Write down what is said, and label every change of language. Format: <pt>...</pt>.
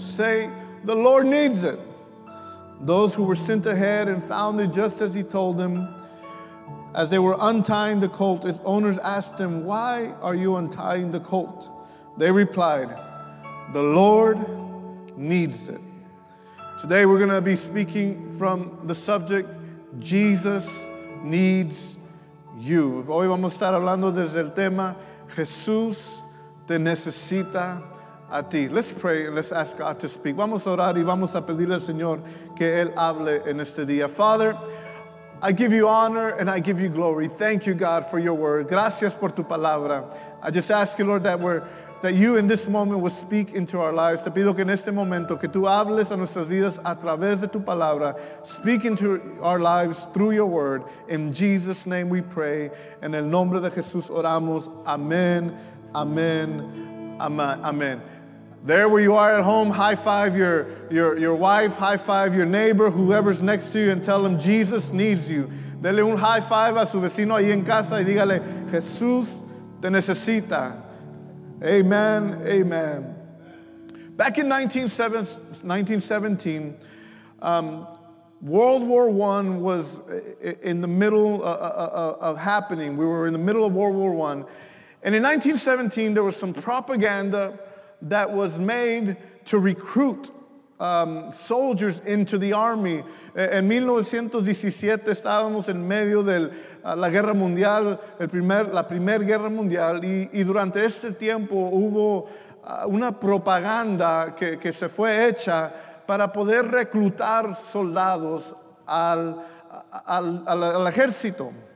<en>Say, the Lord needs it. Those who were sent ahead and found it just as he told them, as they were untying the colt, its owners asked them, why are you untying the colt? They replied, the Lord needs it. Today we're going to be speaking from the subject, Jesus needs you.</en> <es>Hoy vamos a estar hablando desde el tema, Jesús te necesita a ti.</es> <en>Let's pray and let's ask God to speak.</en> <es>Vamos a orar y vamos a pedirle al Señor que Él hable en este día.</es> <en>Father, I give you honor and I give you glory. Thank you, God, for your word.</en> <es>Gracias por tu palabra.</es> <en>I just ask you, Lord, that you in this moment will speak into our lives.</en> <es>Te pido que en este momento que tú hables a nuestras vidas a través de tu palabra.</es> <en>Speak into our lives through your word. In Jesus' name we pray.</en> <es>En el nombre de Jesús oramos. Amen, amen, amen.</es> <en>There where you are at home, high five your wife, high five your neighbor, whoever's next to you, and tell them Jesus needs you.</en> <es>Dele un high five a su vecino ahí en casa y dígale, Jesús te necesita.</es> <en>Amen, amen. Back in 1917, World War I was in the middle of happening. We were in the middle of World War I. And in 1917, there was some propaganda that was made to recruit soldiers into the army.</en> <es>En 1917 estábamos en medio de la guerra mundial, la primera guerra mundial, y durante este tiempo hubo una propaganda que se fue hecha para poder reclutar soldados al ejército.</es>